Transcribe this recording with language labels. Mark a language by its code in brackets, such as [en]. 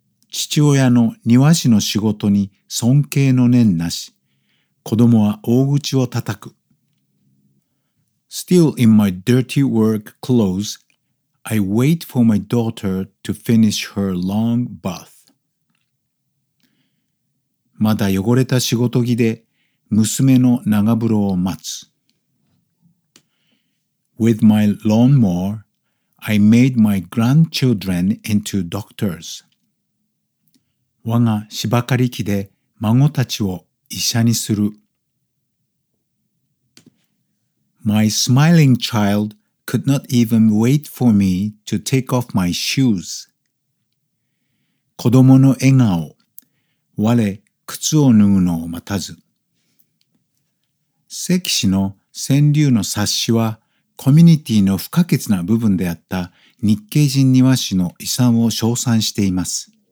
[ja] 父親の庭師の仕事に尊敬の念なし、子供は大口を叩く。 [en] Still in my dirty work clothes, I wait for my daughter to finish her long bath. [ja] まだ汚れた仕事着で娘の長風呂を待つ。 [en] With my lawnmower, I made my grandchildren into doctors. [ja] 我が芝刈り機で孫たちを医者にする。 [en] My smiling child could not even wait for me to take off my shoes. [ja] 子供の笑顔、我、靴を脱ぐのを待たず。関氏の川柳の冊子は、コミュニティの不可欠な部分であった日系人庭師の遺産を称賛しています。